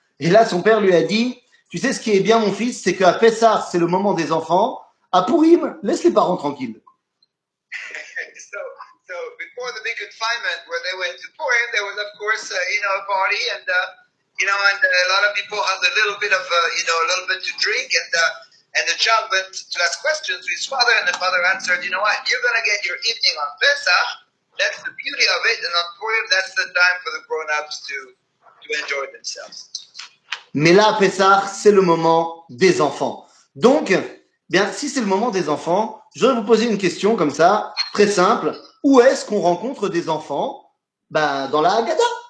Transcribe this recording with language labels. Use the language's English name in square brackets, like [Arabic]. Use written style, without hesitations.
[French] Et là, son père lui a dit, tu sais ce qui est bien mon fils, c'est qu'à Pessah, c'est le moment des enfants, à Pourim, laisse les parents tranquilles. [English] So before the big confinement, where they went to Pourim, there was of course a party and you know, and a lot of people had a little bit of a little bit to drink, and the child went to ask questions to his father, and the father answered, you know what, you're going to get your evening on Pesach. That's the beauty of it, and on Purim, that's the time for the grown-ups to enjoy themselves. [French] Mais là, Pesach, c'est le moment des enfants. Donc, bien, si c'est le moment des enfants, je voudrais vous poser une question comme ça, très simple. Où est-ce qu'on rencontre des enfants? Ben, dans la Haggadah.